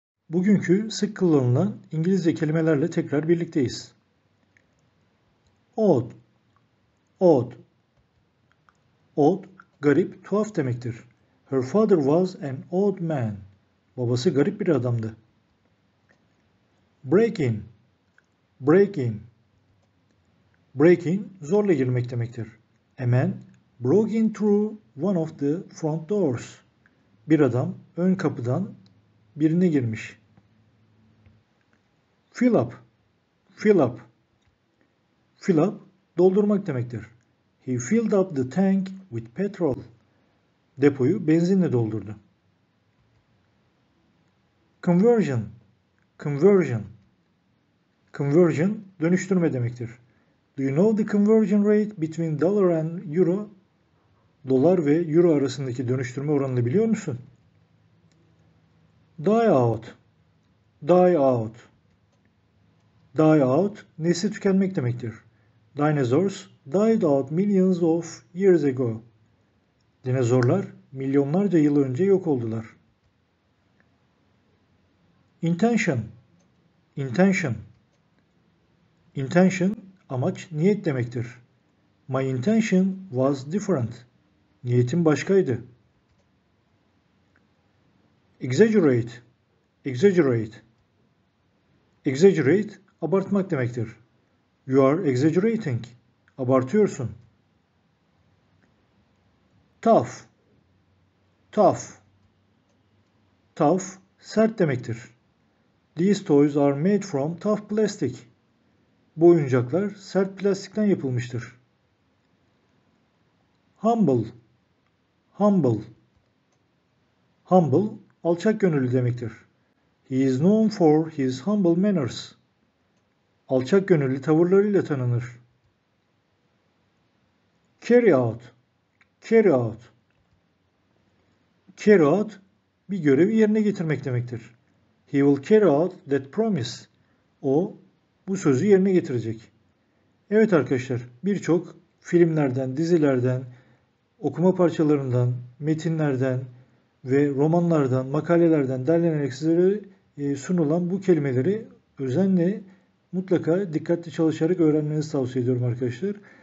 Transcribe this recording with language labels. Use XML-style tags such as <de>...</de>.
<tr>Bugünkü sık kullanılan İngilizce kelimelerle tekrar birlikteyiz.</tr> <en>Odd. Odd.</en> <tr>Odd, garip, tuhaf demektir.</tr> <en>Her father was an odd man.</en> <tr>Babası garip bir adamdı.</tr> <en>Break in. Break in.</en> <tr>Break in, zorla girmek demektir.</tr> <en>A man broke in through one of the front doors.</en> <tr>Bir adam ön kapıdan birine girmiş.</tr> <en>Fill up. Fill up. Fill up,</en> <tr>doldurmak demektir.</tr> <en>He filled up the tank with petrol.</en> <tr>Depoyu benzinle doldurdu.</tr> <en>Conversion. Conversion. Conversion,</en> <tr>dönüştürme demektir.</tr> <en>Do you know the conversion rate between dollar and euro?</en> <tr>Dolar ve euro arasındaki dönüştürme oranını biliyor musun?</tr> <en>Die out. Die out. Die out,</en> <tr>nesli tükenmek demektir.</tr> <en>Dinosaurs died out millions of years ago.</en> <tr>Dinozorlar milyonlarca yıl önce yok oldular.</tr> <en>Intention. Intention. Intention,</en> <tr>amaç, niyet demektir.</tr> <en>My intention was different.</en> <tr>Niyetim başkaydı.</tr> <en>Exaggerate. Exaggerate.</en> <tr>Exaggerate, abartmak demektir.</tr> <en>You are exaggerating.</en> <tr>Abartıyorsun.</tr> <en>Tough. Tough. Tough,</en> <tr>sert demektir.</tr> <en>These toys are made from tough plastic.</en> <tr>Bu oyuncaklar sert plastikten yapılmıştır.</tr> <en>Humble. Humble. Humble,</en> <tr>alçak gönüllü demektir.</tr> <en>He is known for his humble manners.</en> <tr>Alçak gönüllü tavırlarıyla tanınır.</tr> <en>Carry out. Carry out. Carry out,</en> <tr>bir görevi yerine getirmek demektir.</tr> <en>He will carry out that promise.</en> <tr>O, bu sözü yerine getirecek. Evet arkadaşlar, birçok filmlerden, dizilerden, okuma parçalarından, metinlerden ve romanlardan, makalelerden derlenerek size sunulan bu kelimeleri özenle, mutlaka dikkatli çalışarak öğrenmenizi tavsiye ediyorum arkadaşlar.</tr>